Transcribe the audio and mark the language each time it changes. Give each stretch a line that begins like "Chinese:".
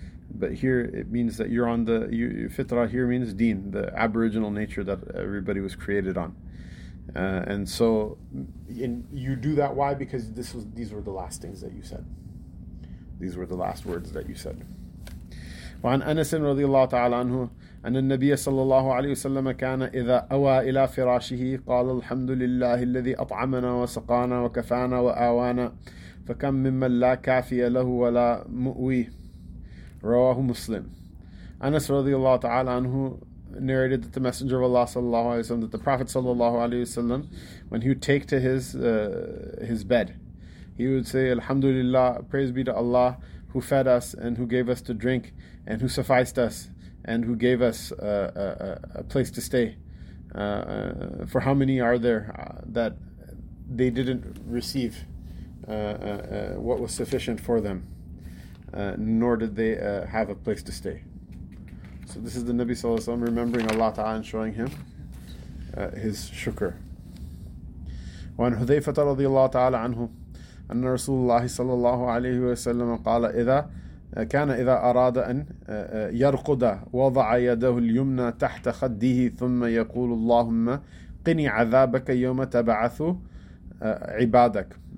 English: But here it means that you're on the fitra. Here means deen, the aboriginal nature that everybody was created on. And you do that, why? Because these were the last things that you said. These were the last words that you said.
Arabic: وعن أنس رضي الله تعالى عنه أن النبي صلى الله عليه وسلم كان إذا أوى إلى فراشه قال الحمد لله الذي أطعمنا وسقانا وكفانا وآوانا فكم ممن لا كافي له ولا مؤوي. رواه مسلم. أنس رضي الله تعالى عنه
English: narrated that the Messenger of Allah sallallahu alayhi wa sallam, that the Prophet sallallahu alayhi wa sallam, when he would take to his bed, he would say, Alhamdulillah, praise be to Allah, who fed us and who gave us to drink and who sufficed us and who gave us a place to stay. For how many are there that they didn't receive what was sufficient for them, nor did they have a place to stay? So this is the Nabi sallallahu alayhi wa sallam remembering Allah ta'ala and showing him his shukr.
Arabic: وعن حذيفة رضي الله تعالى عنه أن رسول الله صلى الله عليه وسلم قال إذا كان إذا أراد أن يرقد وضع يده اليمنى تحت خده ثم يقول اللهم قني عذابك يوم تبعث عبادك.